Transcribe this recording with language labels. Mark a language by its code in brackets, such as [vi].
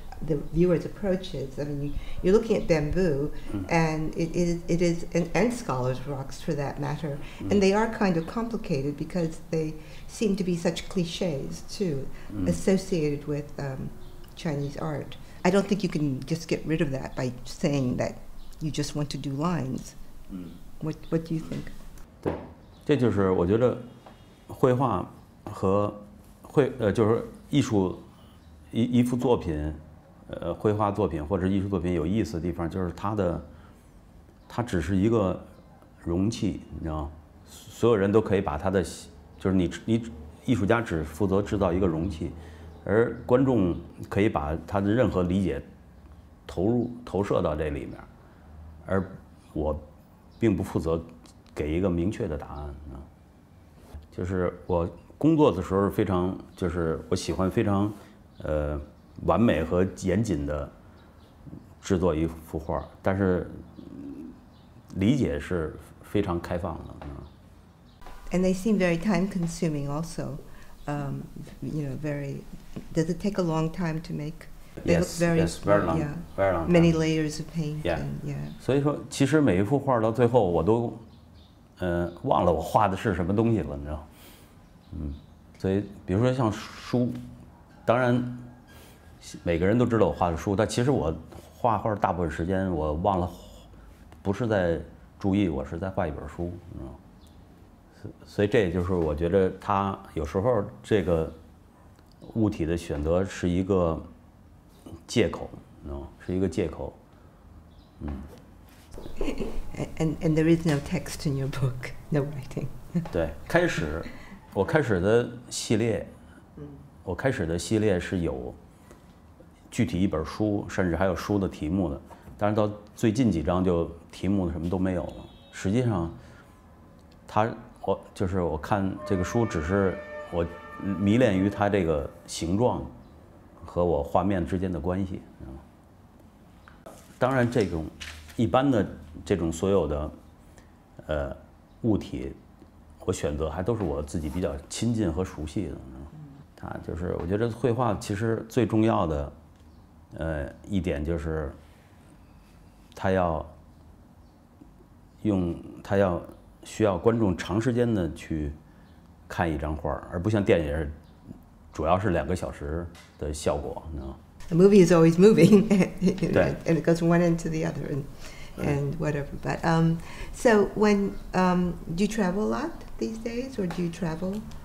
[en] The viewer's approaches. I mean, you're looking at bamboo, and it is, and scholars' rocks for that matter, and they are kind of complicated because they seem to be such cliches too, associated with Chinese art. I don't think you can just get rid of that by saying that you just want to do lines. What do you think? [zh] 对，这就是我觉得绘画和绘就是艺术一幅作品，绘画作品或者艺术作品有意思的地方，就是它只是一个容器，你知道，所有人都可以把它的，就是你艺术家只负责制造一个容器，而观众可以把他的任何理解投射到这里面，而我并不负责给一个明确的答案啊。就是我工作的时候非常，就是我喜欢非常完美和严谨的制作一幅画，但是理解是非常开放的。 [en] And they seem very time consuming also. You know, very, does it take a long time to make? They yes, look very, yes, very long, yeah, very long. Many layers of paint. Yeah. And, yeah. [zh] 所以说其实每一幅画到最后我都忘了我画的是什么东西了，你知道。所以比如说像书，当然每个人都知道我画的书，但其实我画画大部分时间我忘了，不是在注意，我是在画一本书，你知道。所以这也就是我觉得它有时候这个物体的选择是一个借口，是一个借口。 [en] And there is no text in your book, no writing. [zh] 对，开始我开始的系列，我开始的系列是有具体一本书，甚至还有书的题目的，但是到最近几章就题目什么都没有了。实际上它我就是我看这个书，只是我迷恋于它这个形状和我画面之间的关系。当然，这种一般的这种所有的物体，我选择还都是我自己比较亲近和熟悉的。它就是我觉得绘画其实最重要的一点就是，它要。需要观众长时间的去看一张画，而不像电影主要是两个小时的效果。 [en] The movie is always moving, and it goes from one end to the other, and whatever. But so when do you travel a lot these days, or do you travel?